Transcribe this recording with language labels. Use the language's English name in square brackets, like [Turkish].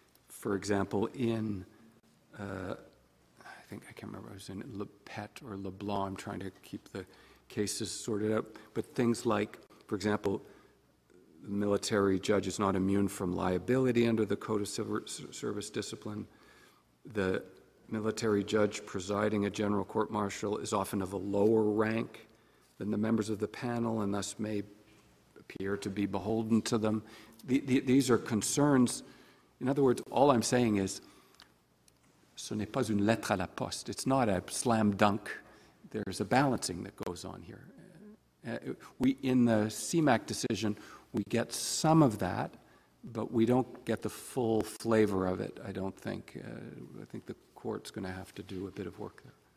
[English] For example, in, I think, I can't remember, I was in Le Pet or LeBlanc, I'm trying to keep the cases sorted out, but things like, for example, the military judge is not immune from liability under the Code of Civil Service Discipline. The military judge presiding a general court-martial is often of a lower rank than the members of the panel, and thus may appear to be beholden to them. These are concerns. In other words, all I'm saying is, [French] ce n'est pas une lettre à la poste. [English] It's not a slam dunk. There's a balancing that goes on here. We, in the CMAQ decision, we get some of that, but we don't get the full flavor of it, I don't think. I think the court's going to have to do a bit of work there.